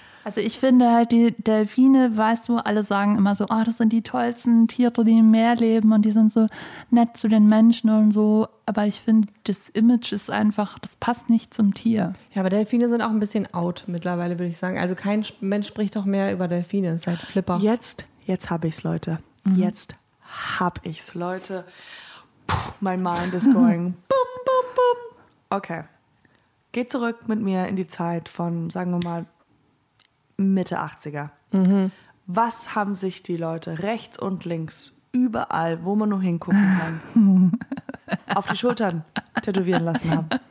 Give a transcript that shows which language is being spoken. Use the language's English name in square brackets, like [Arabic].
[German] Also ich finde halt, die Delfine, weißt du, alle sagen immer so, oh, das sind die tollsten Tiere, die im Meer leben und die sind so nett zu den Menschen und so. Aber ich finde, das Image ist einfach, das passt nicht zum Tier. Ja, aber Delfine sind auch ein bisschen out mittlerweile, würde ich sagen. Also kein Mensch spricht doch mehr über Delfine, seit Flipper. Jetzt habe ich es, Leute. Jetzt hab ich's, Leute. [English] Puh, my mind is going bum, bum, bum. Okay. [German] Geht zurück mit mir in die Zeit von, sagen wir mal, Mitte 80er. Mhm. Was haben sich die Leute rechts und links, überall, wo man nur hingucken kann, auf die Schultern tätowieren lassen haben?